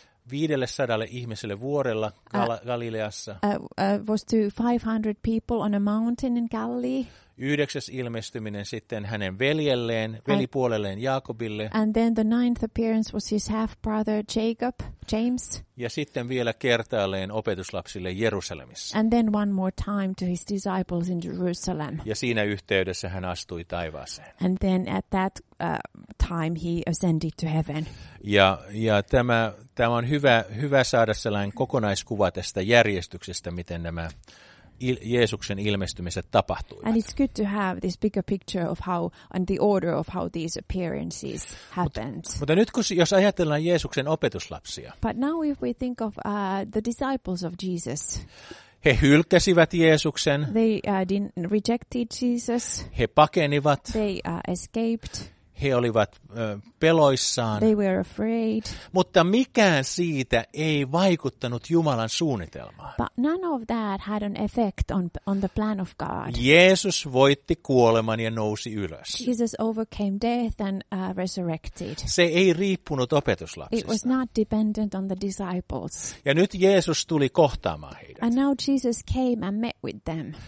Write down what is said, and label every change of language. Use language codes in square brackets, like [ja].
[fi] 500 ihmiselle vuorella Galileassa. [en] Was to 500 people on a mountain in Galilee. [fi] 9. ilmestyminen sitten hänen veljelleen, velipuolelleen Jaakobille. [en] And then the 9th appearance was his half-brother Jacob, James. [fi] Ja sitten vielä kertaalleen opetuslapsille Jerusalemissa. [en] And then one more time to his disciples in Jerusalem. [fi] Ja siinä yhteydessä hän astui taivaaseen. [en] And then at that time he ascended to heaven. [fi] Ja tämä on hyvä saada sellainen kokonaiskuva tästä järjestyksestä, miten nämä Jeesuksen ilmestymiset tapahtuivat. [en] And it's good to have this bigger picture of how and the order of how these appearances happened. [fi] Mutta nyt kun jos ajatellaan Jeesuksen opetuslapsia. [en] But now if we think of the disciples of Jesus. [fi] He hylkäsivät Jeesuksen. [en] They rejected Jesus. [fi] He pakenivat. [en] They escaped. [fi] He olivat peloissaan. [en] They were afraid. [fi] Mutta mikään siitä ei vaikuttanut Jumalan suunnitelmaan. [en] But none of that had an effect on the plan of God. [fi] Jeesus voitti kuoleman ja nousi ylös. [en] Jesus overcame death and resurrected. [fi] Se ei riippunut opetuslapsista. [en] It was not dependent on the disciples. [fi] Ja nyt Jeesus tuli kohtaamaan heidät. [en] And now Jesus came and met with them.